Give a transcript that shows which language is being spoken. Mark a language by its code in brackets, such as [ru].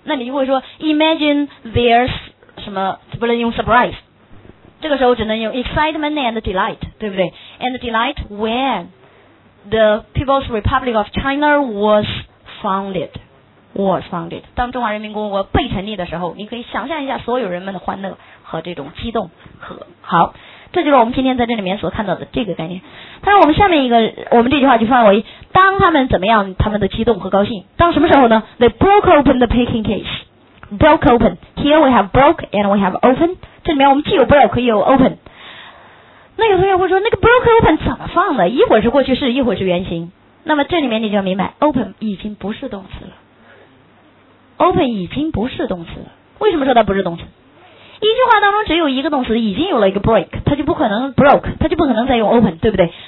[zh] 那你就会说 [en] imagine there's [zh] 什么？不能用 surprise， 这个时候只能用 [en] excitement and delight， [zh] 对不对 ？ [en] And delight when the People's Republic of China was founded， [zh] 当中华人民共和国被成立的时候，你可以想象一下所有人们的欢乐和这种激动和好。这就是我们今天在这里面所看到的这个概念。但是我们下面一个，我们这句话就范围当他们怎么样，他们的激动和高兴，当什么时候呢？ [en] They broke open the packing case， broke open， here we have broke and we have open， [zh] 这里面我们既有 broke 也有 open。那有同学会说那个 broke open 怎么放的？一会儿是过去式，一会儿是原形。那么这里面你就要明白 open 已经不是动词了，open 已经不是动词了。为什么说它不是动词？一句话当中只有一个动词，已经有了一个 break， 它就不可能 broke， 它就不可能再用 open， 对不对？